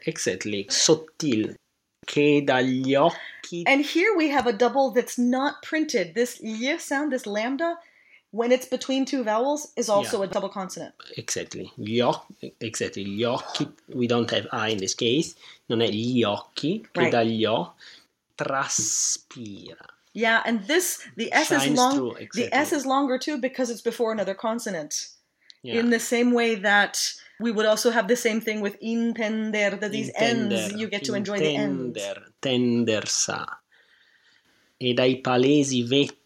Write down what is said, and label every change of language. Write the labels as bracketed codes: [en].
[en] Exactly. [it] Sottil. Che dagli occhi. [en] And here we have a double that's not printed. This y sound, this lambda, when it's between two vowels, is also a double consonant. Exactly. [it] Gli occhi, [en] we don't have I in this case. [it] Non è gli occhi, che dagli occhi traspira. [en] Yeah, and this, the S shines is long. Through, exactly. The S is longer too because it's before another consonant. Yeah. In the same way that we would also have the same thing with intender, that these [it] intender, [en] ends, you get to enjoy intender, the [it] intender, tendersa. E dai palesi vetti.